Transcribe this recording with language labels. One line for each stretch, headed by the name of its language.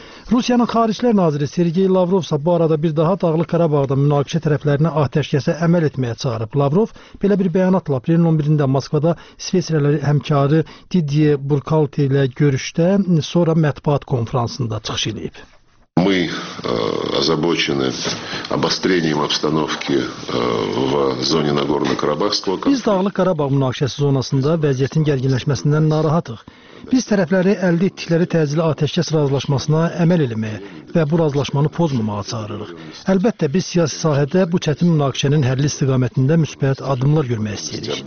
Azerbaijani: Rusiyanın Xarici İşlər Naziri Sergey Lavrov isə bu arada bir daha Dağlıq Qarabağda münaqişə tərəflərinə atəşkəsə əməl etməyə çağırıb. Lavrov belə bir bəyanatla aprelin 11-də Moskvada İsveçrəli həmkarı Didier Burkalte ilə görüşdə, sonra mətbuat konfransında çıxış edib.
Russian: Мы озабочены обострением обстановки в зоне Нагорно-Карабахского конфликта.
Azerbaijani: Biz Dağlıq Qarabağ münaqişəsi zonasında vəziyyətin gərginləşməsindən narahatıq. Biz tərəfləri əldə etdikləri təcili atəşkəs razılaşmasına əməl eləməyə və bu razılaşmanı pozmamağa çağırırıq. Əlbəttə, biz siyasi sahədə bu çətin münaqişənin həlli istiqamətində müsbət addımlar görmək istəyirik.